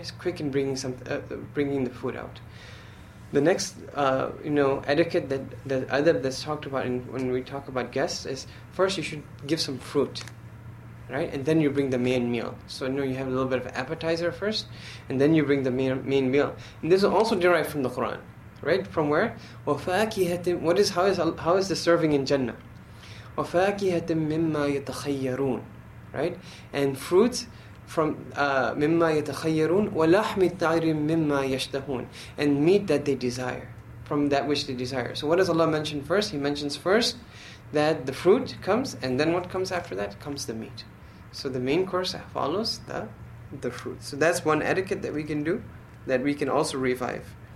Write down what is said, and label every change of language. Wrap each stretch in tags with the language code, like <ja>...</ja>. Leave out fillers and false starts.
<en>It's quick in bringing the food out. The next etiquette, that the adab that's talked about when we talk about guests, is first you should give some fruit, right? And then you bring the main meal. So you have a little bit of appetizer first, and then you bring the main meal. And this is also derived from the Quran. Right? From where? وَفَاكِهَةٍ. What is, how is the serving in Jannah?</en> <ar>وَفَاكِهَةٍ مِمَّا يَتَخَيَّرُونَ. Right?</ar> <en>And fruits from</en> <ar>مِمَّا يَتَخَيَّرُونَ وَلَحْمِ طَيْرٍ مِمَّا يَشْتَهُونَ.</ar> <en>And meat that they desire, from that which they desire. So what does Allah mention first? He mentions first that the fruit comes, and then what comes after that? Comes the meat. So the main course follows the fruit. So that's one etiquette that we can do, that we can also revive.</en>